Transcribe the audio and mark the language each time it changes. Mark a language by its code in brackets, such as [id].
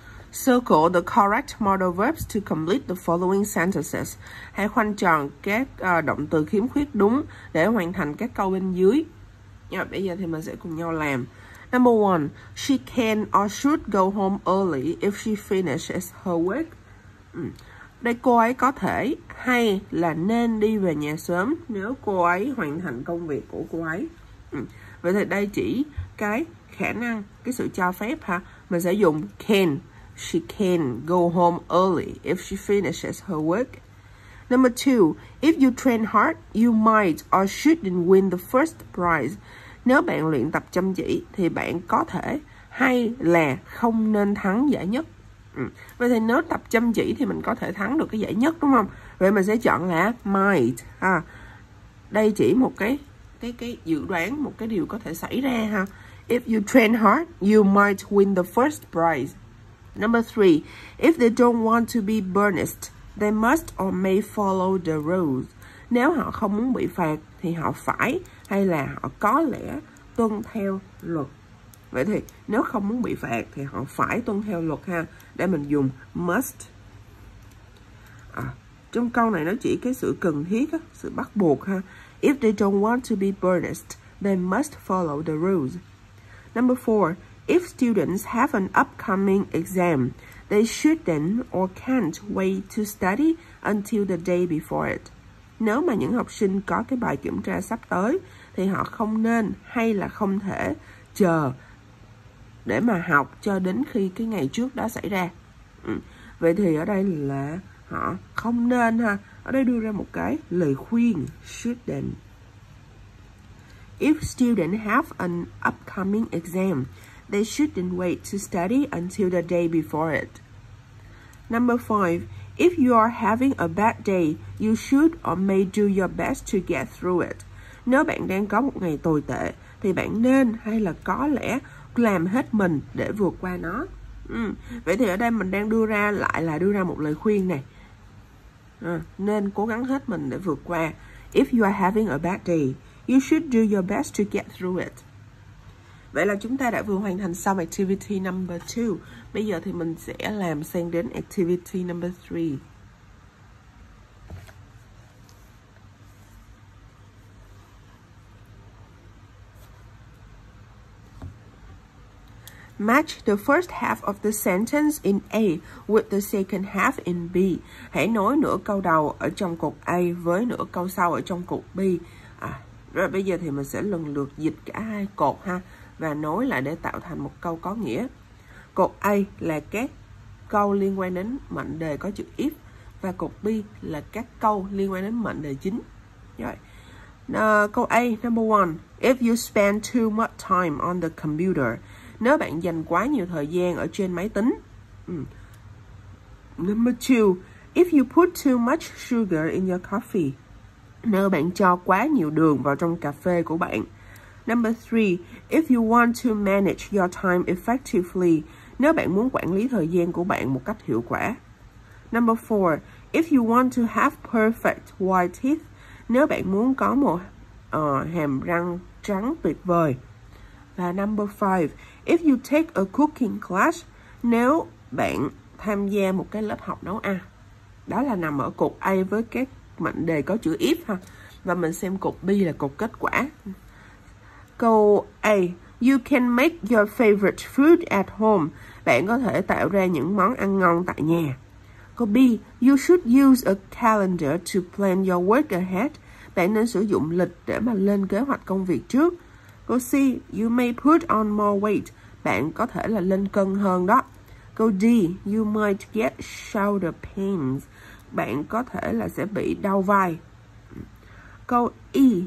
[en] Circle the correct modal verbs to complete the following sentences. [vi] Hãy khoanh tròn các động từ khiếm khuyết đúng để hoàn thành các câu bên dưới. Yeah, bây giờ thì mình sẽ cùng nhau làm. [en] Number one, she can or should go home early if she finishes her work. [vi] Đây, cô ấy có thể hay là nên đi về nhà sớm nếu cô ấy hoàn thành công việc của cô ấy. Vậy thì đây chỉ cái khả năng, cái sự cho phép ha. Mình sẽ dùng can. [en] She can go home early if she finishes her work. Number two, if you train hard, you might or shouldn't win the first prize. [vi] Nếu bạn luyện tập chăm chỉ thì bạn có thể hay là không nên thắng giải nhất. Vậy thì nếu tập chăm chỉ thì mình có thể thắng được cái giải nhất đúng không? Vậy mình sẽ chọn là might ha. Đây chỉ một cái dự đoán, một cái điều có thể xảy ra ha. [en] If you train hard, you might win the first prize. Number three, if they don't want to be burnished, they must or may follow the rules. [vi] Nếu họ không muốn bị phạt thì họ phải hay là họ có lẽ tuân theo luật. Vậy thì nếu không muốn bị phạt thì họ phải tuân theo luật ha. Để mình dùng must. Trong câu này nó chỉ cái sự cần thiết, sự bắt buộc ha. [en] If they don't want to be burnished, they must follow the rules. Number four, if students have an upcoming exam, they shouldn't or can't wait to study until the day before it. [vi] Nếu mà những học sinh có cái bài kiểm tra sắp tới, thì họ không nên hay là không thể chờ để mà học cho đến khi cái ngày trước đó xảy ra. Vậy thì ở đây là họ không nên ha. Ở đây đưa ra một cái lời khuyên, shouldn't. [en] If students have an upcoming exam, they shouldn't wait to study until the day before it. Number five, if you are having a bad day, you should or may do your best to get through it. [vi] Nếu bạn đang có một ngày tồi tệ, thì bạn nên hay là có lẽ làm hết mình để vượt qua nó. Vậy thì ở đây mình đang đưa ra lại là đưa ra một lời khuyên này. Nên cố gắng hết mình để vượt qua. [en] If you are having a bad day, you should do your best to get through it. [vi] Vậy là chúng ta đã vừa hoàn thành xong activity number 2. Bây giờ thì mình sẽ làm sang đến activity number 3. [en] Match the first half of the sentence in A with the second half in B. [vi] Hãy nối nửa câu đầu ở trong cột A với nửa câu sau ở trong cột B. Rồi bây giờ thì mình sẽ lần lượt dịch cả hai cột ha và nối lại để tạo thành một câu có nghĩa. Cột A là các câu liên quan đến mệnh đề có chữ if và cột B là các câu liên quan đến mệnh đề chính. Rồi. Câu A, number 1. [en] If you spend too much time on the computer. [vi] Nếu bạn dành quá nhiều thời gian ở trên máy tính. [en] Number 2. If you put too much sugar in your coffee. [vi] Nếu bạn cho quá nhiều đường vào trong cà phê của bạn. [en] Number 3. If you want to manage your time effectively. [vi] Nếu bạn muốn quản lý thời gian của bạn một cách hiệu quả. [en] Number 4. If you want to have perfect white teeth. [vi] Nếu bạn muốn có một hàm răng trắng tuyệt vời. Và number 5. [en] If you take a cooking class. [vi] Nếu bạn tham gia một cái lớp học nấu ăn. Đó là nằm ở cột A với các mệnh đề có chữ if ha. Và mình xem cột B là cột kết quả. Câu A. [en] You can make your favorite food at home. [vi] Bạn có thể tạo ra những món ăn ngon tại nhà. Câu B. [en] You should use a calendar to plan your work ahead. [vi] Bạn nên sử dụng lịch để mà lên kế hoạch công việc trước. Câu C. [en] You may put on more weight. [vi] Bạn có thể là lên cân hơn đó. Câu D. [en] You might get shoulder pains. [vi] Bạn có thể là sẽ bị đau vai. Câu E.